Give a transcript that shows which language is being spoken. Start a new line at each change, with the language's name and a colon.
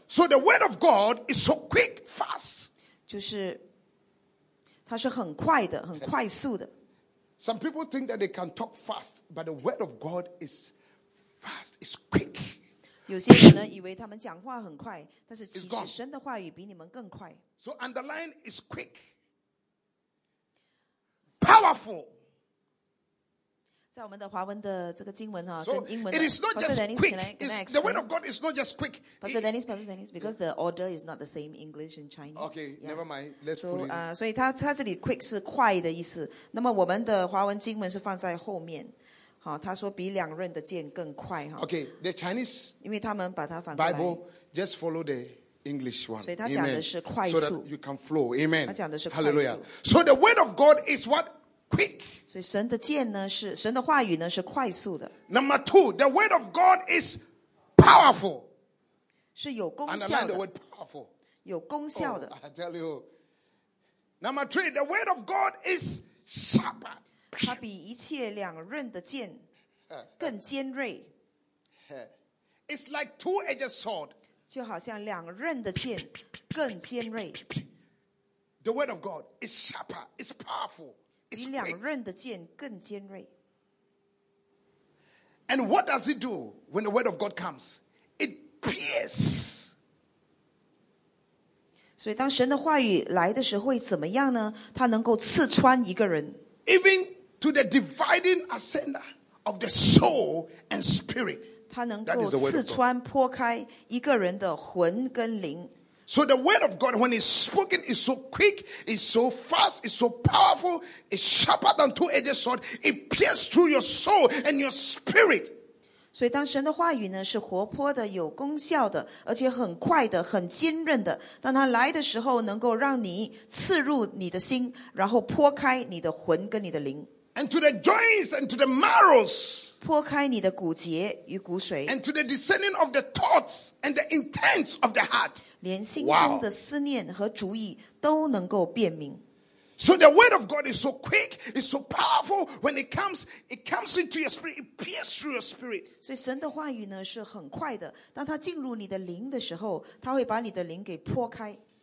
English: So the word of God is so quick, fast.
Chinese: 就是。它是很快的，很快速的。
English: Some people think that they can talk fast, but the word of God is fast, is quick.
Chinese: 有些人呢，以为他们讲话很快，但是其实神的话语比你们更快。
English: So underline is quick, powerful.
Chinese: 在我们的华文的这个经文哈，跟英文。
English: It is not just quick. It's the word of God is not just quick. Pastor Dennis, because the order is not the same English and Chinese. Okay, never mind. Let's put it.
Chinese: 所以他这里 quick 是快的意思。那么我们的华文经文是放在后面。好，他说比两刃的剑更快哈。
English: Okay, the Chinese.
Chinese: 因为他们把它反过来。
English: Bible just follow the English one.
Chinese: 所以他讲的是快速。
English: So that you can flow. Amen.
Chinese: 他讲的是快速。Hallelujah.
English: So the word of God is what? Quick.
Chinese: 所以神的剑呢是神的话语呢是快速的。
English: Number two, the word of God is powerful.
Chinese: 是有功效的。
English: The word powerful.
Chinese: 有功效的。
English: Oh, I tell you. Number three, the word of God is sharp.
Chinese: 它比一切两刃的剑更尖锐。
English: It's like two-edged sword.
Chinese: 就好像两刃的剑更尖锐。
English: The word of God is sharp. It's powerful.
Chinese: 比两刃的剑更尖锐。
English: And what does it do when the word of God comes? It pierces.
Chinese: 所以当神的话语来的时候会怎么样呢？它能够刺穿一个人。
English: Even to the dividing asunder of the soul and spirit.
Chinese: 它能够刺穿破开一个人的魂跟灵。
English: So the word of God, when it's spoken, is so quick, is so fast, is so powerful, is sharper than two-edged sword. It pierces through your soul and your spirit.
Chinese: 所以当神的话语呢是活泼的、有功效的，而且很快的、很坚韧的。当它来的时候，能够让你刺入你的心，然后剖开你的魂跟你的灵。
English: And to the joints and to the marrows.
Chinese: 剖开你的骨节与骨髓。
English: And to the discerning of the thoughts and the intents of the heart.
Chinese: 连心中的思念和主意都能够辨明。
English: So the word of God is so quick, is so powerful. When it comes into your spirit, it pierces through your spirit.
Chinese: 所以神的话语呢是很快的。当它进入你的灵的时候，它会把你的灵给剖开。